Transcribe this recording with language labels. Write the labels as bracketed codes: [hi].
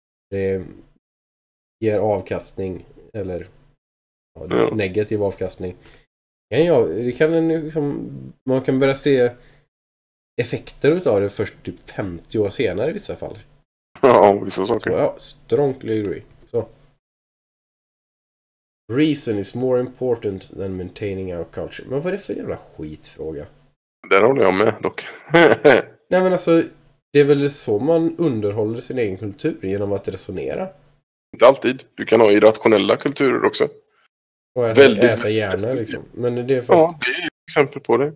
[sv] Det ger avkastning. Eller negativ avkastning. Det kan liksom, man kan börja se effekter av det först typ 50 år senare i vissa fall. Ja, vissa saker. Så, ja, [en] strongly agree. Reason is more important than maintaining our culture. [sv] Men vad är det för jävla skitfråga? Där håller jag med dock. Nej, men alltså, det är väl så man underhåller sin egen kultur genom att resonera? Inte alltid. Du kan ha irrationella kulturer också. Och äta hjärna liksom. Men det är för att... Ja, det är ett exempel på det.